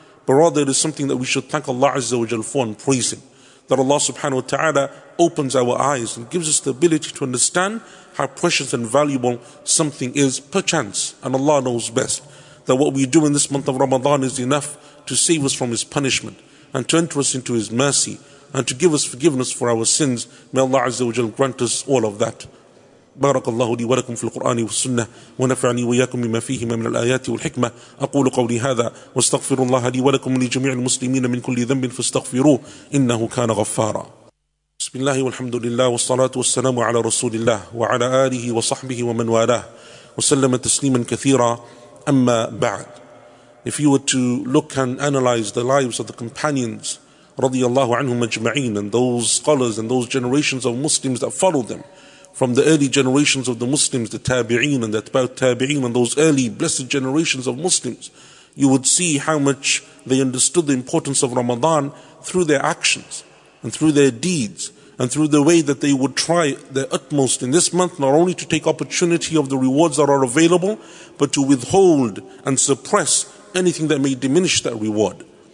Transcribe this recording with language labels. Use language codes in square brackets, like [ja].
[en] But rather it is something that we should thank Allah Azza wa Jal for and praise Him. That Allah subhanahu wa ta'ala opens our eyes and gives us the ability to understand how precious and valuable something is, perchance, and Allah knows best. That what we do in this month of Ramadan is enough to save us from His punishment and to enter us into His mercy and to give us forgiveness for our sins. May Allah Azza wa Jal grant us all of that. [ar] بارك الله لي ولكم في القرآن والسنة ونفعني وإياكم بما فيهما من الآيات والحكمة. أقول قولي هذا واستغفر الله لي ولكم لجميع المسلمين من كل ذنب فاستغفروه إنه كان غفارا. بسم الله والحمد لله والصلاة والسلام على رسول الله وعلى آله وصحبه ومن والاه وسلم تسليما كثيرا. أما بعد, [en] if you were to look and analyze the lives of the companions [ar] رضي الله عنهم أجمعين, [en] and those scholars and those generations of Muslims that followed them, from the early generations of the Muslims, the Tabi'een and the Atba'ut Tabi'een, and those early blessed generations of Muslims, you would see how much they understood the importance of Ramadan through their actions and through their deeds and through the way that they would try their utmost in this month, not only to take opportunity of the rewards that are available, but to withhold and suppress anything that may diminish that reward.